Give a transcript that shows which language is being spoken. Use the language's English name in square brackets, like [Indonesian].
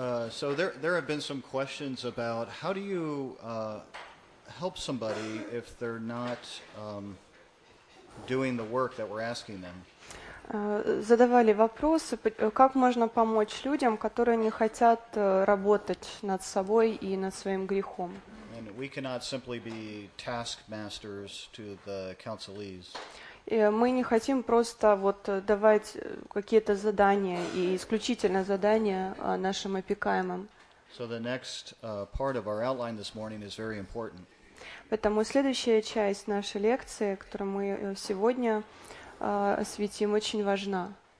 [English] So there have been some questions about how do you help somebody if they're not doing the work that we're asking them. [Russian] Задавали вопросы, как можно помочь людям, которые не хотят работать над собой и над своим грехом. [English] And we cannot simply be taskmasters to the counselees. [Russian] Мы не хотим просто вот давать какие-то задания и исключительно задания нашим опекаемым. [English] So the next part of our outline this morning is very important. [Russian] Поэтому следующая часть нашей лекции, которую мы сегодня осветим, очень важна.